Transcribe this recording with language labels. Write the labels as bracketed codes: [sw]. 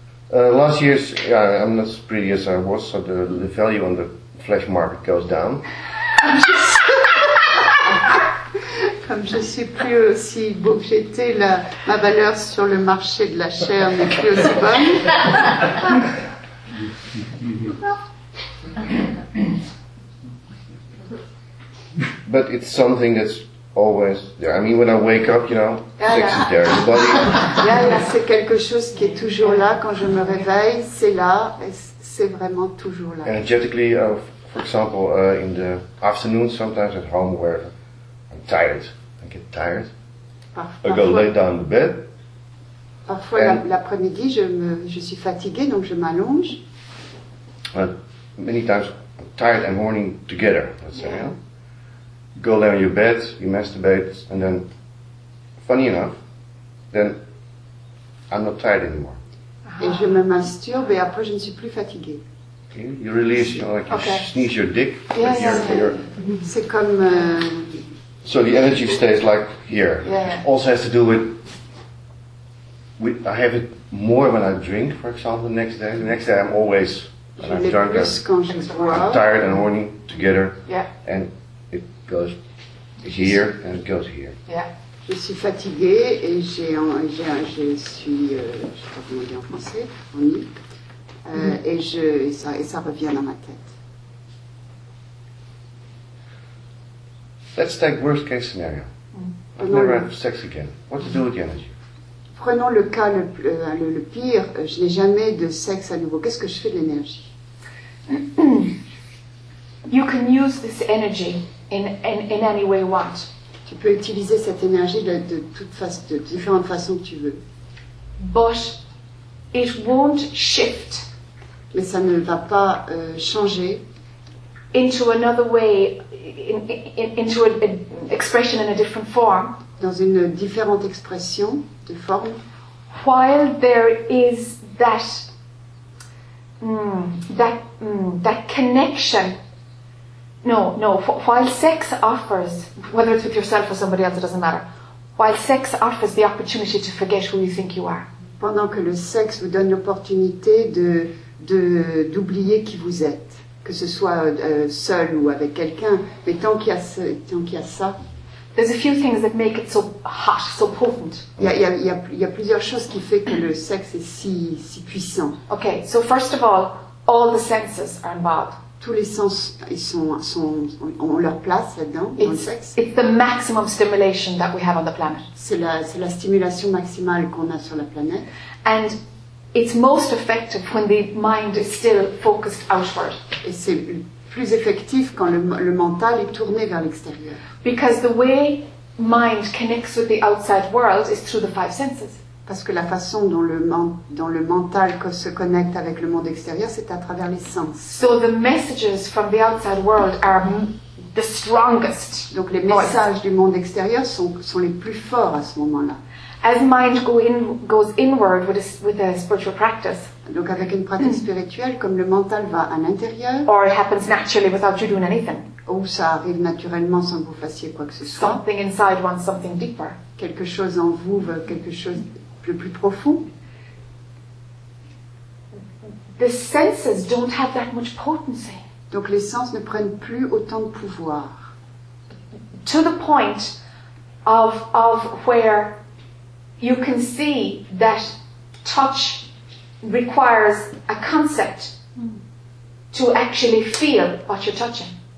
[en] Last year's, yeah, I'm not as pretty as I was, so the value on the flesh market goes down. [fr] Comme je suis plus aussi beau que j'étais, ma valeur sur le marché de la chair n'est plus aussi bonne. [en] But it's something that's always there. I mean, when I wake up, you know, sex is there in the body. [fr] C'est quelque chose qui est toujours là quand je me réveille. C'est là, c'est vraiment toujours là. [en] Energetically, for example, in the afternoon, sometimes at home where I'm tired, I get tired. I go lay down in the bed. [fr] Parfois, l'après-midi, je suis fatigué, donc je m'allonge. [en] Many times, tired and horny together, let's say. Yeah. Go lay on your bed, you masturbate, and then, funny enough, then I'm not tired anymore. [fr] Et je me masturbe, et après je ne suis plus fatigué. [en] You release, you know, like you sneeze your dick. [fr] C'est comme... [en] So the energy stays like here. Yeah. Also has to do with... I have it more when I drink, for example, the next day. The next day I'm always, when I'm drunk, I'm tired and horny together. Yeah. And it goes here and it goes here. Yeah. [fr] Je suis fatiguée et ça revient dans ma tête. [en] Let's take worst case scenario. I've never had sex again. What to do with the energy? [fr] Prenons le cas le pire, je n'ai jamais de sexe à nouveau. Qu'est-ce que je fais de l'énergie? [en] You can use this energy in any way you want. [fr] Tu peux utiliser cette énergie de différentes façons que tu veux. [en] But it won't shift. [fr] Mais ça ne va pas changer. [en] Into another way, into an expression in a different form. [fr] Dans une différente expression de forme. [en] While there is that that connection, no. While sex offers, whether it's with yourself or somebody else, it doesn't matter. While sex offers the opportunity to forget who you think you are. [fr] Pendant que le sexe vous donne l'opportunité de d'oublier qui vous êtes, que ce soit seul ou avec quelqu'un, mais tant qu'il y a ça. [en] There's a few things that make it so hot, so potent. [fr] Il y a plusieurs choses qui fait que le sexe est si puissant. [en] Okay, so first of all the senses are involved. [fr] Tous les sens ont leur place là-dedans dans le sexe. [en] It's the maximum stimulation that we have on the planet. [fr] C'est la stimulation maximale qu'on a sur la planète. [en] And it's most effective when the mind is still focused outward. [fr] Et c'est plus effectif quand le mental est tourné vers l'extérieur. [en] Because the way mind connects with the outside world is through the five senses. [fr] Parce que la façon dont le mental se connecte avec le monde extérieur, c'est à travers les sens. [en] So the messages from the outside world are the strongest. [fr] Donc les messages du monde extérieur sont les plus forts à ce moment-là. [en] As mind goes inward with a spiritual practice. [fr] Donc avec une pratique spirituelle, comme le mental va à l'intérieur. [en] Or it happens naturally without you doing anything. [fr] Ou ça arrive naturellement sans que vous fassiez quoi que ce soit. [en] Something inside wants something deeper. [fr] Quelque chose en vous veut quelque chose de plus profond. [en] The senses don't have that much potency. [fr] Donc les sens ne prennent plus autant de pouvoir. [en] To the point of where you can see that touch requires a concept to actually feel what you're touching.